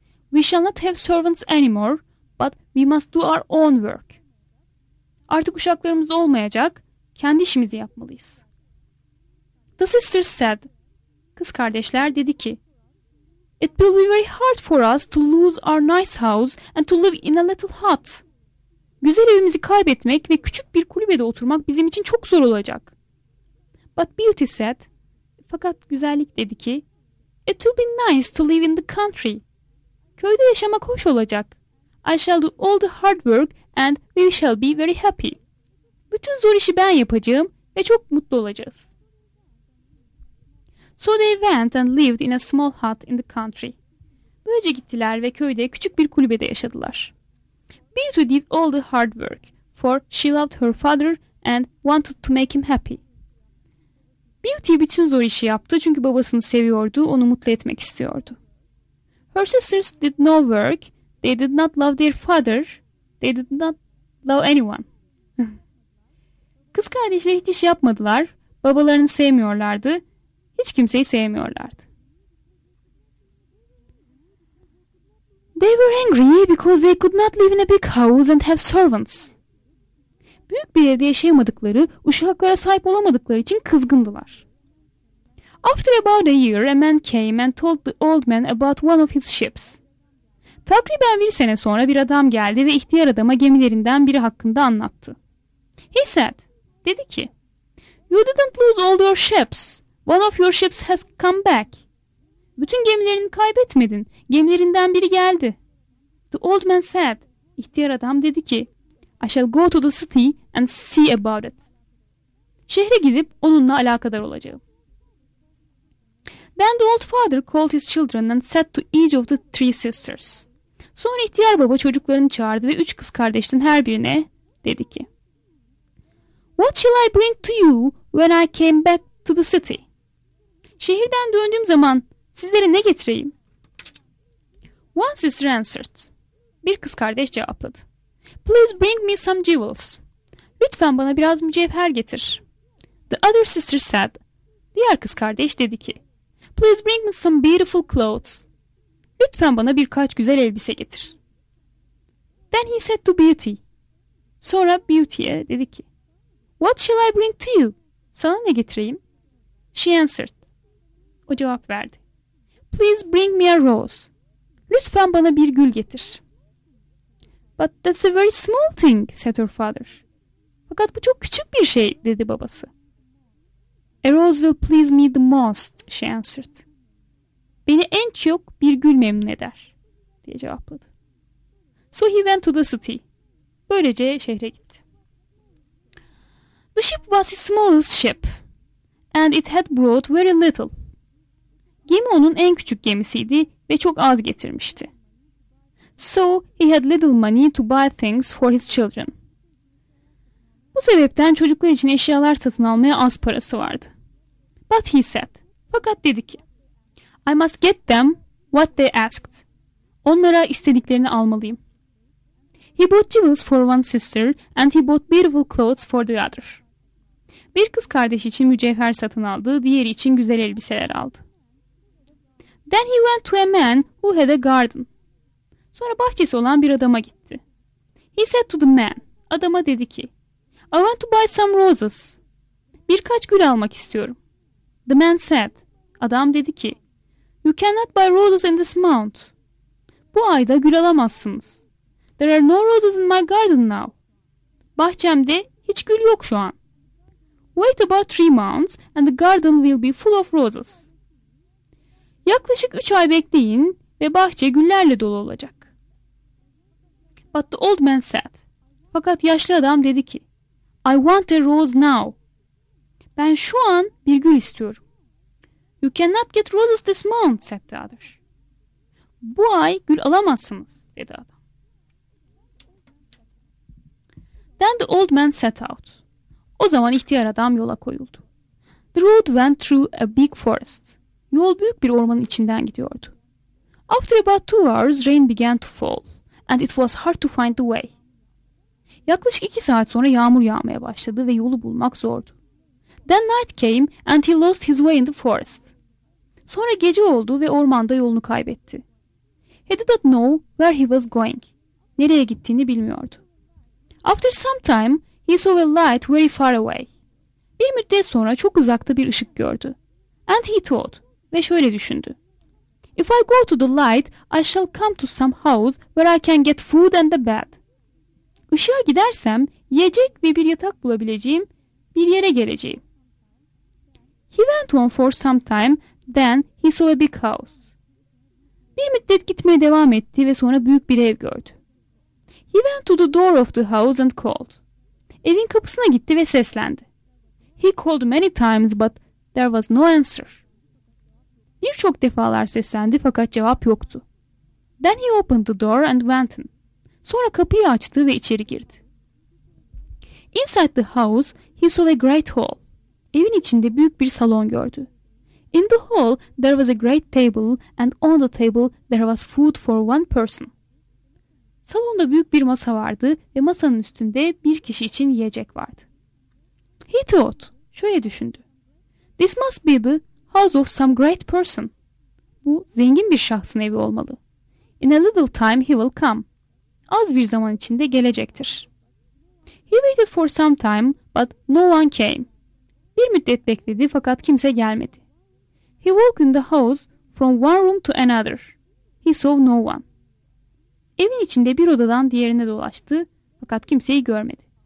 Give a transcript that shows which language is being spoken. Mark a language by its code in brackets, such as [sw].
[en] We shall not have servants anymore, but we must do our own work. [tr] Artık uşaklarımız olmayacak, kendi işimizi yapmalıyız. [en] The sisters said, [tr] kız kardeşler dedi ki, [en] It will be very hard for us to lose our nice house and to live in a little hut. [tr] Güzel evimizi kaybetmek ve küçük bir kulübede oturmak bizim için çok zor olacak. [en] But Beauty said, [tr] fakat güzellik dedi ki, [en] It will be nice to live in the country. [tr] Köyde yaşamak hoş olacak. [en] I shall do all the hard work and we shall be very happy. [tr] Bütün zor işi ben yapacağım ve çok mutlu olacağız. [en] So they went and lived in a small hut in the country. [tr] Böylece gittiler ve köyde küçük bir kulübede yaşadılar. [en] Beauty did all the hard work, for she loved her father and wanted to make him happy. [tr] Beauty bütün zor işi yaptı çünkü babasını seviyordu, onu mutlu etmek istiyordu. [en] Her sisters did no work, they did not love their father, they did not love anyone. [tr] Kız kardeşler hiç iş yapmadılar, babalarını sevmiyorlardı, hiç kimseyi sevmiyorlardı. [en] They were angry because they could not live in a big house and have servants. [tr] Büyük bir evde yaşayamadıkları, uşaklara sahip olamadıkları için kızgındılar. [en] After about a year, a man came and told the old man about one of his ships. [tr] Takriben bir sene sonra bir adam geldi ve ihtiyar adama gemilerinden biri hakkında anlattı. [en] He said, [tr] dedi ki, [en] You didn't lose all your ships. One of your ships has come back. [tr] Bütün gemilerini kaybetmedin. Gemilerinden biri geldi. [en] The old man said, [tr] İhtiyar adam dedi ki, [en] I shall go to the city and see about it. [tr] Şehre gidip onunla alakadar olacağım. [en] Then the old father called his children and said to each of the three sisters. [tr] Sonra ihtiyar baba çocuklarını çağırdı ve üç kız kardeşten her birine dedi ki. [en] What shall I bring to you when I came back to the city? [tr] Şehirden döndüğüm zaman sizlere ne getireyim? [en] One sister answered. [tr] Bir kız kardeş cevapladı. [en] Please bring me some jewels. [tr] Lütfen bana biraz mücevher getir. [en] The other sister said. [tr] Diğer kız kardeş dedi ki. [en] Please bring me some beautiful clothes. [tr] Lütfen bana birkaç güzel elbise getir. [en] Then he said to Beauty. [tr] Sonra Beauty'ye dedi ki. [en] What shall I bring to you? [tr] Sana ne getireyim? [en] She answered. [tr] O cevap verdi. [en] Please bring me a rose. [tr] Lütfen bana bir gül getir. [en] But that's a very small thing, said her father. [tr] Fakat bu çok küçük bir şey, dedi babası. [en] A rose will please me the most, she answered. [tr] Beni en çok bir gül memnun eder, diye cevapladı. [en] So he went to the city. [tr] Böylece şehre gitti. [en] The ship was his smallest ship, and it had brought very little. [tr] Gemi onun en küçük gemisiydi ve çok az getirmişti. [en] So he had little money to buy things for his children. [tr] Bu sebepten çocuklar için eşyalar satın almaya az parası vardı. [en] But he said, [tr] fakat dedi ki, [en] I must get them what they asked. [tr] Onlara istediklerini almalıyım. [en] He bought jewels for one sister and he bought beautiful clothes for the other. [tr] Bir kız kardeş için mücevher satın aldı, diğeri için güzel elbiseler aldı. [en] Then he went to a man who had a garden. [tr] Sonra bahçesi olan bir adama gitti. [en] He said to the man, [tr] adama dedi ki, [en] I want to buy some roses. [tr] Birkaç gül almak istiyorum. [en] The man said, [tr] adam dedi ki, [en] You cannot buy roses in this month. [tr] Bu ayda gül alamazsınız. [en] There are no roses in my garden now. [tr] Bahçemde hiç gül yok şu an. [en] Wait about 3 months and the garden will be full of roses. Yaklaşık 3 ay bekleyin ve bahçe güllerle dolu olacak. But the old man said. [tr] Fakat yaşlı adam dedi ki, [en] I want a rose now. [tr] Ben şu an bir gül istiyorum. [en] You cannot get roses this month, said the other. [tr] Bu ay gül alamazsınız, dedi adam. [en] Then the old man set out. [tr] O zaman ihtiyar adam yola koyuldu. [en] The road went through a big forest. [tr] Yol büyük bir ormanın içinden gidiyordu. [en] After about 2 hours, rain began to fall, and it was hard to find the way. [tr] Yaklaşık 2 saat sonra yağmur yağmaya başladı ve yolu bulmak zordu. [en] Then night came, and he lost his way in the forest. [tr] Sonra gece oldu ve ormanda yolunu kaybetti. [en] He did not know where he was going. [tr] Nereye gittiğini bilmiyordu. [en] After some time, he saw a light very far away. [tr] Bir müddet sonra çok uzakta bir ışık gördü. [en] And he thought, [tr] ve şöyle düşündü. [en] If I go to the light, I shall come to some house where I can get food and a bed. [tr] Işığa gidersem, yiyecek ve bir yatak bulabileceğim bir yere geleceğim. [en] He went on for some time, then he saw a big house. [tr] Bir müddet gitmeye devam etti ve sonra büyük bir ev gördü. [en] He went to the door of the house and called. [tr] Evin kapısına gitti ve seslendi. [en] He called many times, but there was no answer. [tr] Birçok defalar seslendi fakat cevap yoktu. [en] Then he opened the door and went in. [tr] Sonra kapıyı açtı ve içeri girdi. [en] Inside the house, he saw a great hall. [tr] Evin içinde büyük bir salon gördü. [en] In the hall, there was a great table and on the table there was food for one person. [tr] Salonda büyük bir masa vardı ve masanın üstünde bir kişi için yiyecek vardı. [en] He thought, [tr] şöyle düşündü. [en] This must be the house of some great person. [tr] Bu zengin bir şahsın evi olmalı. [en] In a little time he will come. [tr] Az bir zaman içinde gelecektir. [en] He waited for some time, but no one came. [tr] Bir müddet bekledi fakat kimse gelmedi. [en] He walked in the house from one room to another. He saw no one. [tr] Evin içinde bir odadan diğerine dolaştı fakat kimseyi görmedi.